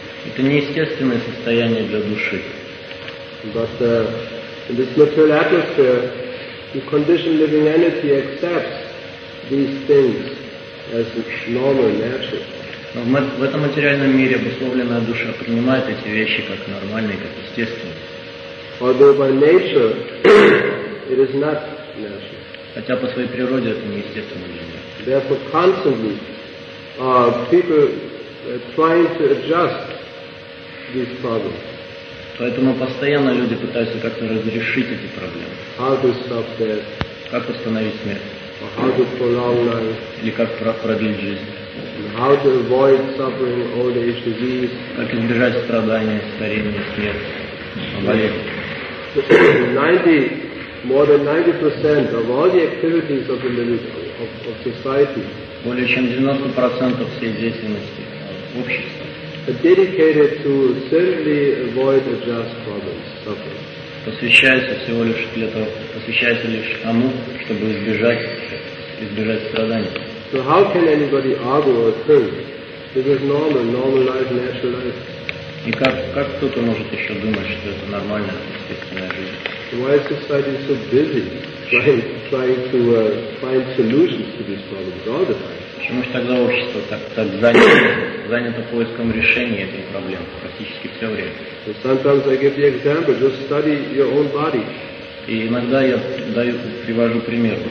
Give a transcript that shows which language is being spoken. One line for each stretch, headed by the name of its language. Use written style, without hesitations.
Russian: Это неестественное состояние для души.
English: But in this material atmosphere, the conditioned living entity accepts these things as normal, natural.
Russian: В этом материальном мире обусловленная душа принимает эти вещи как нормальные, как естественные.
English: Although by nature it is not natural.
Russian: Хотя по своей природе это неестественно.
English: Therefore, constantly people are trying to adjust these problems.
Russian: Поэтому постоянно люди пытаются как-то разрешить эти проблемы.
English: How to stop death?
Russian: Как остановить смерть?
English: Or how to prolong life?
Russian: Или как продлить жизнь?
English: How to avoid suffering old age disease?
Russian: Как избежать страдания, старения, смерти, болезни?
English: 90% of all the activities of the living of society.
Russian: Более чем 90% всей деятельности общества.
English: Are dedicated to certainly avoid adjust problems, suffering.
Russian: Посвящается лишь тому, чтобы избежать страданий.
English: So how can anybody argue or think this is normal life, natural life?
Russian: И как кто-то может еще думать, что это нормальная, естественная жизнь?
English: Why is society so busy trying to find solutions to these problems all the time?
Russian: Почему же тогда общество так занято поиском решения этой проблемы практически все время?
English: Sometimes I give the example, just study your own body.
Russian: И иногда я даю, привожу пример.